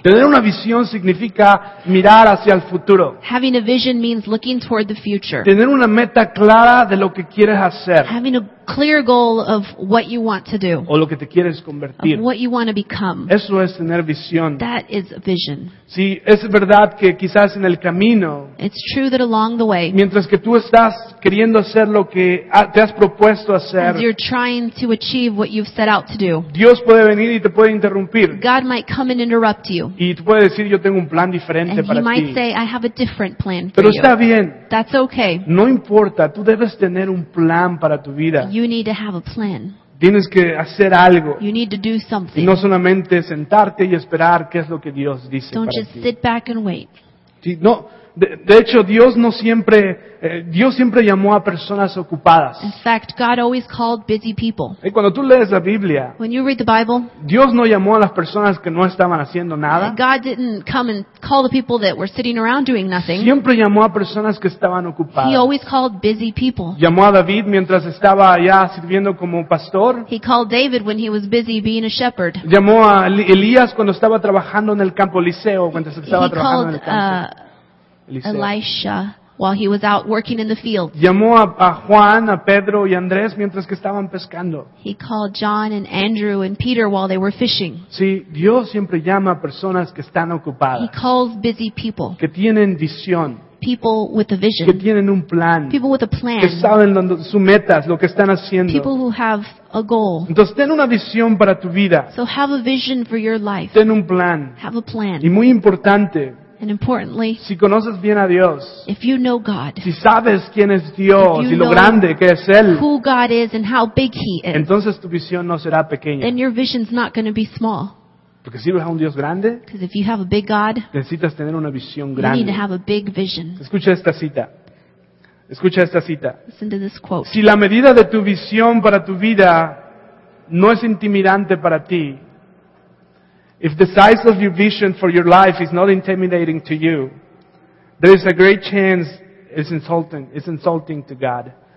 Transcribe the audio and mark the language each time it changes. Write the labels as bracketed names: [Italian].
[Spanish] Tener una visión significa mirar hacia el futuro. [English] Having a vision means looking toward the future. [Spanish] Tener una meta clara de lo que quieres hacer. [English] Having a clear goal of what you want to do. [Spanish] O lo que te quieres convertir. [English] Of what you want to become. [Spanish] Eso es tener visión. [English] That is a vision. [Spanish] Sí, es verdad que quizás en el camino. [English] It's true that along the way. [Spanish] Mientras que tú estás queriendo hacer lo que te has propuesto hacer. [English] As you're trying to achieve what you've set out to do. [Spanish] Dios puede venir y te puede interrumpir. [English] God might come and interrupt you. [Spanish] Y te puede decir yo tengo un plan diferente [English] and [Spanish] para ti. [English] And he might say I have a different plan [Spanish] pero [English] for [Spanish] está [English] you. [Spanish] Bien. [English] That's okay. [Spanish] No importa, tú debes tener un plan para tu vida. [English] You need to have a plan. [Spanish] Tienes que hacer algo. [English] You need to do something. [Spanish] Y no solamente sentarte y esperar qué es lo que Dios dice [English] don't [Spanish] para [English] just [Spanish] ti. [English] Sit back and wait. [Spanish] Sí, no, de hecho, Dios no siempre Dios siempre llamó a personas ocupadas. [English] In fact, God always called busy people. [Spanish] Y cuando tú lees la Biblia, [English] when you read the Bible, [Spanish] Dios no llamó a las personas que no estaban haciendo nada. [English] God didn't come and call the people that were sitting around doing nothing. [Spanish] Siempre llamó a personas que estaban ocupadas. [English] He always called busy people. [Spanish] Llamó a David mientras estaba allá sirviendo como pastor. [English] He called David when he was busy being a shepherd. [Spanish] Llamó a Elías cuando estaba trabajando en el campo Eliseo mientras estaba trabajando en el campo. [English] Elisha. While he was out working in the field. [Spanish] Llamó a Juan, a Pedro y Andrés mientras que estaban pescando. [English] He called John and Andrew and Peter while they were fishing. [Spanish] Sí, Dios siempre llama a personas que están ocupadas. [English] He calls busy people. [Spanish] Que tienen visión. [English] People with a vision. [Spanish] Que tienen un plan. [English] People with a plan. [Spanish] Que saben sus metas, lo que están haciendo. [English] People who have a goal. [Spanish] Entonces ten una visión para tu vida. [English] So have a vision for your life. [Spanish] Ten un plan. [English] Have a plan. [Spanish] Y muy importante. [English] And importantly, [Spanish] si conoces bien a Dios, [English] if you know God, [Spanish] si sabes quién es Dios y lo grande que es Él, [English] who God is and how big He is, [Spanish] entonces tu visión no será pequeña. [English] Then your vision's not going to be small. [Spanish] Porque si eres un Dios grande, [English] because if you have a big God, [Spanish] necesitas tener una visión grande. [English] You need to have a big vision. [Spanish] Escucha esta cita. Escucha esta cita. [English] Listen to this quote. [Spanish] Si la medida de tu visión para tu vida no es intimidante para ti, [English] if the size of your vision for your life is not intimidating to you, there is a great chance it's insulting to God.